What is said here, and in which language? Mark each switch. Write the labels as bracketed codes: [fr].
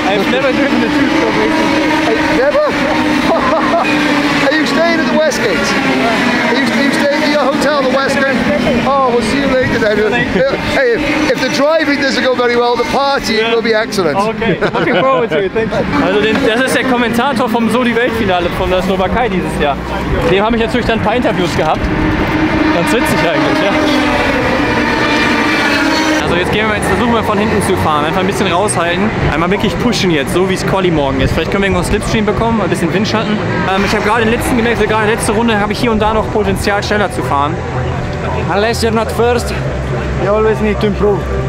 [en] I've never driven the tube. Never? Are you staying at the Westgate? Are you staying at your hotel, the Westgate? Oh, we'll see you later then. Hey, if the driving doesn't go very well, the party will be excellent. Okay, looking forward to it, thank you. [de] Also das ist der Kommentator vom Sodi-Weltfinale von der Slowakei dieses Jahr. Dem habe ich natürlich dann ein paar Interviews gehabt. Ganz witzig eigentlich, ja. So, jetzt versuchen wir von hinten zu fahren. Einfach ein bisschen raushalten. Einmal wirklich pushen jetzt, so wie es Colli morgen ist. Vielleicht können wir irgendwo einen Slipstream bekommen, ein bisschen Windschatten. Ich habe gerade den letzten gemerkt, gerade letzte Runde habe ich hier und da noch Potenzial, schneller zu fahren. [en] Unless you're not first, you always need to improve.